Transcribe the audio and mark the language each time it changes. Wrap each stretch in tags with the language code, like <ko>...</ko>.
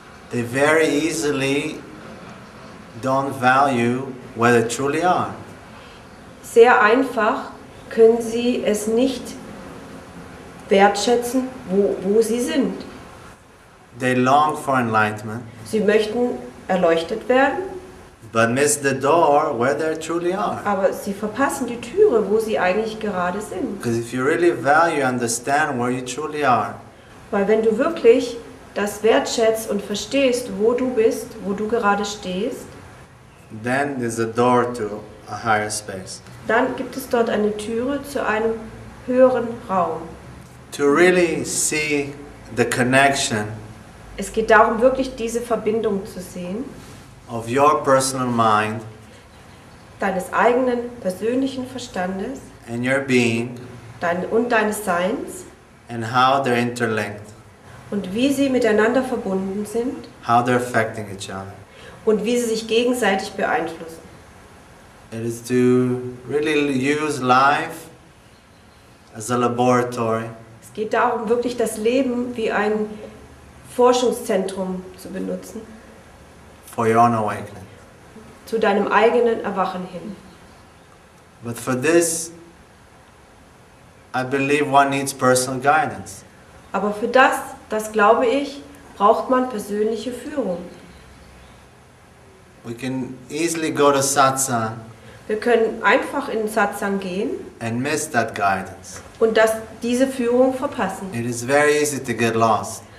<en>They very easily don't value where they truly are.</en> <de>Sehr einfach können sie es nicht wertschätzen, wo sie sind.</de> <en>They long for enlightenment.</en> <de>Sie möchten erleuchtet werden.</de> <en>But miss the door where they truly are.</en> <de>Aber sie verpassen die Türe, wo sie eigentlich gerade sind.</de> <en>Because if you really value, understand where you truly are.</en> <de>Weil wenn du wirklich das wertschätzt und verstehst, wo du bist, wo du gerade stehst,</de> <en>then there's a door to a higher space.</en> <de>Dann gibt es dort eine Türe zu einem höheren Raum.</de> <en>To really see the connection.</en> <de>Es geht darum, wirklich diese Verbindung zu sehen.</de> <en>Of your personal mind.</en> <de>Deines eigenen persönlichen Verstandes.</de> <en>And your being.</en> <de>Und deines Seins.</de> <en>And how they're interlinked.</en> <de>Und wie sie miteinander verbunden sind.</de> <en>How they're affecting each other.</en> <de>Und wie sie sich gegenseitig beeinflussen.</de> <en>It is to really use life as a laboratory.</en> <de>Es geht darum, wirklich das Leben wie ein Forschungszentrum zu benutzen.</de> <en>For your own awakening.</en> <de>Zu deinem eigenen Erwachen hin.</de> <en>But for this, I believe one needs personal guidance.</en> <de>Aber für das glaube ich, braucht man persönliche Führung.</de> <en>We can easily go to satsang.</en> <de>Wir können einfach in Satsang gehen.</de> <en>And miss that guidance.</en> <de>Und dass diese Führung verpassen.</de> <en>It is very easy to get lost.</en>